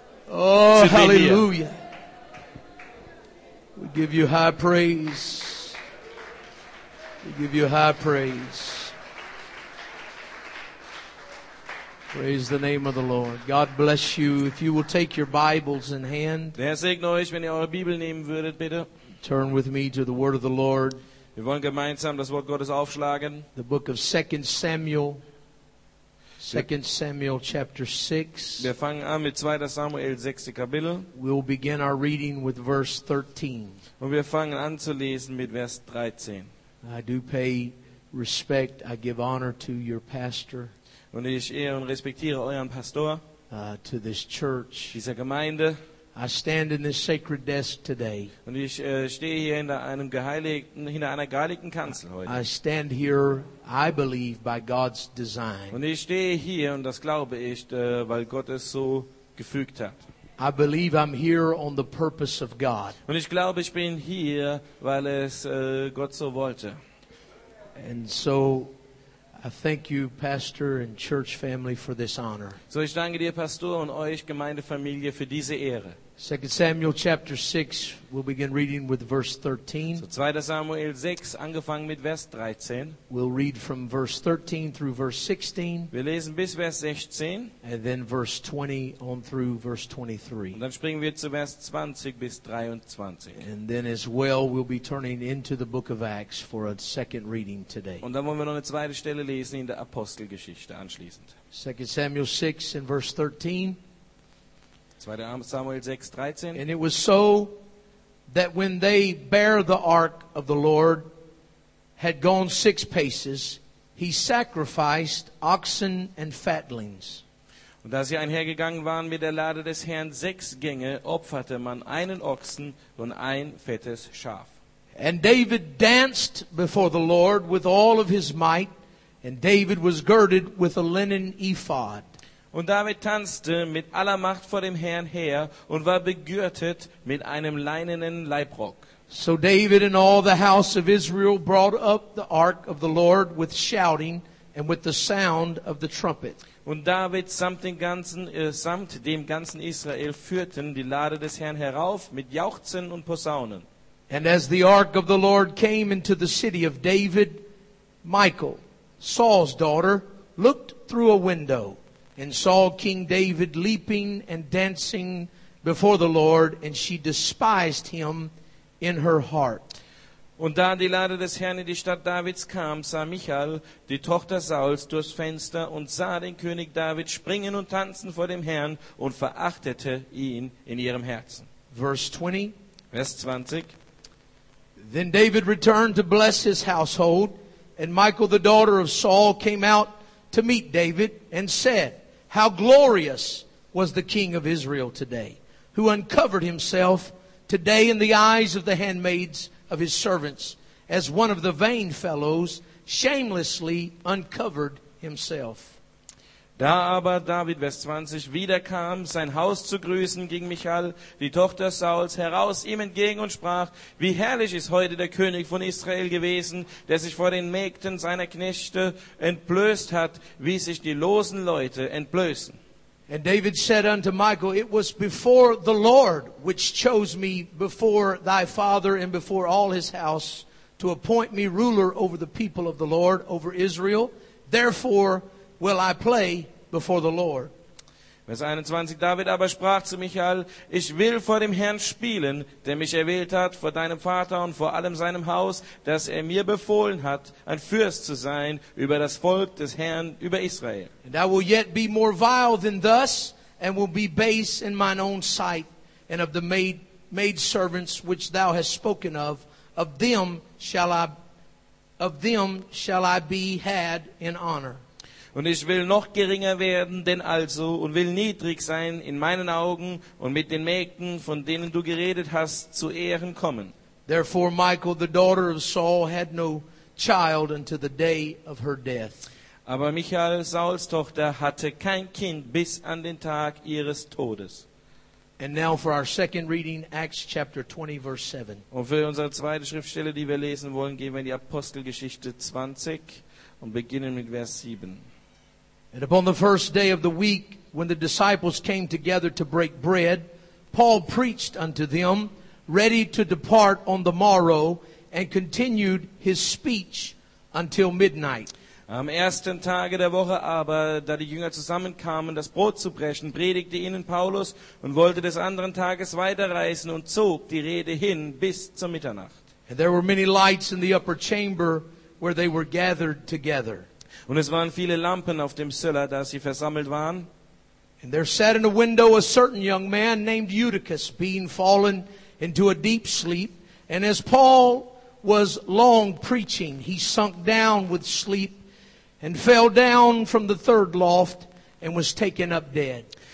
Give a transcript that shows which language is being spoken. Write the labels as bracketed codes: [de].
[en] Oh, hallelujah. We give you high praise. We give you high praise. Praise the name of the Lord. God bless you. If you will take your Bibles in hand. [de] Der segne euch, wenn ihr eure Bibel nehmen würdet, bitte. [en] Turn with me to the word of the Lord. [de] Wir wollen gemeinsam das Wort Gottes aufschlagen. [en] The book of 2 Samuel. 2 Samuel chapter 6. [de] Wir fangen an mit 2. Samuel 6. Kapitel. [en] We'll begin our reading with verse 13. [de] Und wir fangen an zu lesen mit Vers 13. [en] I do pay respect, I give honor to your pastor. [de] Und ich ehre und respektiere euren Pastor. [en] To this church. [de] Dieser Gemeinde. [en] I stand in this sacred desk today. [de] Und ich stehe hier hinter einer geheiligten Kanzel heute. [en] I stand here, I believe, by God's design. [de] Und ich stehe hier, und das glaube ich, weil Gott es so gefügt hat. [en] I believe I'm here on the purpose of God. [de] Und ich glaube, ich bin hier, weil es Gott so wollte. [en] And so I thank you, Pastor and church family, for this honor. [de] So ich danke dir, Pastor, und euch, Gemeindefamilie, für diese Ehre. [en] 2 Samuel chapter 6, we'll begin reading with verse 13. [de] So 2 Samuel 6, angefangen mit Vers 13. [en] We'll read from verse 13 through verse 16. [de] Wir lesen bis Vers 16. [en] And then verse 20 on through verse 23. [de] Und dann springen wir zu Vers 20 bis 23. [en] And then as well, we'll be turning into the book of Acts for a second reading today. [de] Und dann wollen wir noch eine zweite Stelle lesen in der Apostelgeschichte anschließend. [en] 2 Samuel 6 in verse 13. [de] Samuel 6, 13. [en] And it was so that when they bare the ark of the Lord had gone 6 paces, he sacrificed oxen and fatlings. [de] Und da sie einhergegangen waren mit der Lade des Herrn, 6 Gänge, opferte man einen Ochsen und ein fettes Schaf. [en] And David danced before the Lord with all of his might, and David was girded with a linen ephod. [de] Und David tanzte mit aller Macht vor dem Herrn her und war begürtet mit einem leinenen Leibrock. [en] So David and all the house of Israel brought up the ark of the Lord with shouting and with the sound of the trumpet. [de] Und David samt dem ganzen Israel führten die Lade des Herrn herauf mit Jauchzen und Posaunen. [en] And as the ark of the Lord came into the city of David, Michal, Saul's daughter, looked through a window and saw King David leaping and dancing before the Lord, and she despised him in her heart. [de] Und da die Lade des Herrn in die Stadt Davids kam, sah Michal, die Tochter Sauls, durchs Fenster und sah den König David springen und tanzen vor dem Herrn und verachtete ihn in ihrem Herzen. Vers 20. [en] Then David returned to bless his household, and Michal, the daughter of Saul, came out to meet David and said, "How glorious was the king of Israel today, who uncovered himself today in the eyes of the handmaids of his servants, as one of the vain fellows shamelessly uncovered himself." [de] Da aber David, Vers 20, wiederkam, sein Haus zu grüßen, ging Michal, die Tochter Sauls, heraus ihm entgegen und sprach, "Wie herrlich ist heute der König von Israel gewesen, der sich vor den Mägden seiner Knechte entblößt hat, wie sich die losen Leute entblößen." [en] And David said unto Michal, "It was before the Lord which chose me before thy father and before all his house to appoint me ruler over the people of the Lord, over Israel. Therefore will I play before the Lord." [de] Vers 21, David aber sprach zu Michal, "Ich will vor dem Herrn spielen, der mich erwählt hat, vor deinem Vater und vor allem seinem Haus, dass er mir befohlen hat, ein Fürst zu sein über das Volk des Herrn, über Israel." [en] "And I will yet be more vile than thus, and will be base in mine own sight, and of the maid servants which thou hast spoken of them shall I be had in honor." [de] "Und ich will noch geringer werden, denn also, und will niedrig sein in meinen Augen und mit den Mägden, von denen du geredet hast, zu Ehren kommen." [en] Therefore Michal, the daughter of Saul, had no child until the day of her death. [de] Aber Michal, Sauls Tochter, hatte kein Kind bis an den Tag ihres Todes. [en] And now for our second reading, Acts chapter 20, verse 7. [de] Und für unsere zweite Schriftstelle, die wir lesen wollen, gehen wir in die Apostelgeschichte 20 und beginnen mit Vers 7. [en] "And upon the first day of the week, when the disciples came together to break bread, Paul preached unto them, ready to depart on the morrow, and continued his speech until midnight." [de] Am ersten Tage der Woche aber, da die Jünger zusammenkamen, das Brot zu brechen, predigte ihnen Paulus und wollte des anderen Tages weiterreisen und zog die Rede hin bis zur Mitternacht. [en] "And there were many lights in the upper chamber where they were gathered together." [de] Und es waren viele Lampen auf dem Söller, da sie versammelt waren. [en] "And there sat in a window a certain young man named Eutychus, being fallen into a deep sleep. And as Paul was long preaching, he sunk down with sleep and fell down from the third loft and was taken up dead."